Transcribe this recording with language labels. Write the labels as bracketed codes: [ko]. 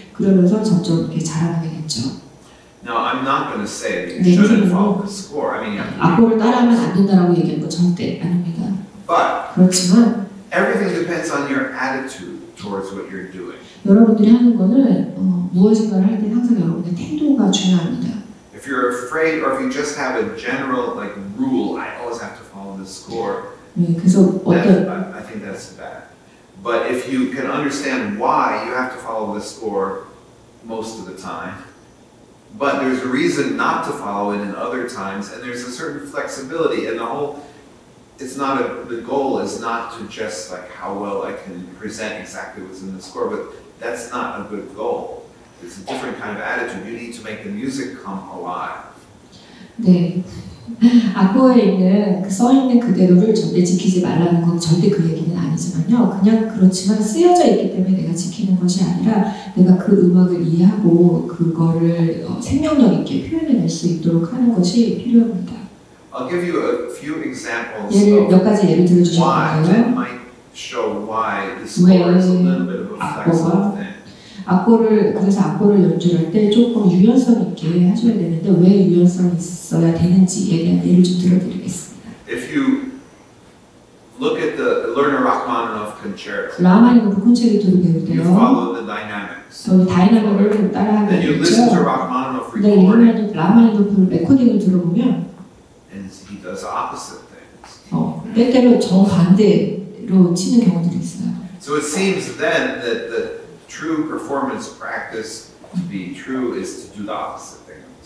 [ko] 그러면서 점점 이렇게 자라나게 됐죠. [en] Now I'm not going to say that you shouldn't follow the score. I mean, [ko] 악보를 따라하면 안 된다라고 얘기한 거 절대 아닙니다. [en] But [ko] 그렇지만 [en] everything depends on your attitude towards what you're doing. [ko] 여러분들이 하는 거는 무엇인가를 할 때 항상 여러분의 태도가 중요합니다. [en] If you're afraid, or if you just have a general like rule, I always have to follow the score. [ko] 그래서 어떤 [en] I think that's bad. But if you can understand why you have to follow the score most of the time, but there's a reason not to follow it in other times, and there's a certain flexibility, and the whole it's not a the goal is not to just like how well I can present exactly what's in the score, but that's not a good goal. It's a different kind of attitude. You need to make the music come alive. [ko] 네, 악보에 있는 그 써 있는 그대로를 절대 지키지 말라는 건 절대 그 얘기는 아니지만요. 그냥 그렇지만 쓰여져 있기 때문에 내가 지키는 것이 아니라 내가 그 음악을 이해하고 그거를 생명력 있게 표현해낼 수 있도록 하는 것이 필요합니다. [en] I'll give you a few examples. [ko] 몇 가지 예를 들어주실까요? [en] Why that might show why the score is a little bit of a flexible thing. [ko] 악보를 그래서 악보를 연주할 때 조금 유연성 있게 하셔야 되는데 왜 유연성이 있어야 되는지에 대한 예를 좀 들어드리겠습니다. [en] If you look at the learner Rachmaninoff concerto, [ko] 라마니노프 콘체르토를 배울 때요. [en] You follow the dynamics. [ko] 그 다이나믹을 따라하면 [en] Then you listen to Rachmaninoff recording. [ko] 네, 라마니노프 레코딩을 들어보면 [en] And he does opposite things. [ko] 때때로 정반대로 치는 경우들이 있어요. [en] So it seems then that the true performance practice to be true is to do the opposite thing on the